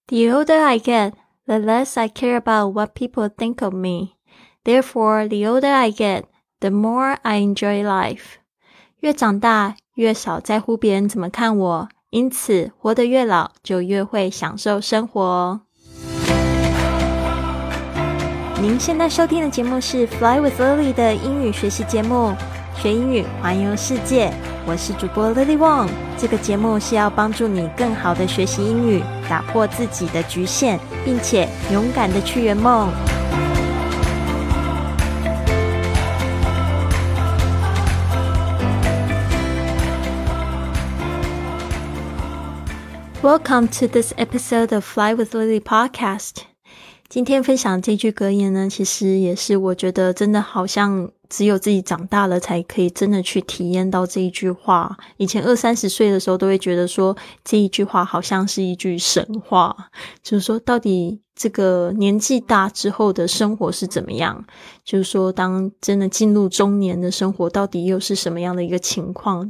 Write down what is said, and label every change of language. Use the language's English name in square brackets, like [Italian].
[English] The older I get, the less I care about what people think of me. Therefore, the older I get, the more I enjoy life. [Chinese] 越长大，越少在乎别人怎么看我，因此活得越老，就越会享受生活。您现在收听的节目是 Fly with Lily 的英语学习节目，学英语，环游世界。我是主播 Lily Wong， 这个节目是要帮助你更好的学习英语，打破自己的局限，并且勇敢的去圆梦。 [English] Welcome to this episode of Fly with Lily podcast。 [Chinese] 今天分享这句格言呢，其实也是我觉得真的好像只有自己长大了才可以真的去体验到这一句话。以前二三十岁的时候都会觉得说这一句话好像是一句神话，就是说到底这个年纪大之后的生活是怎么样，就是说当真的进入中年的生活到底又是什么样的一个情况。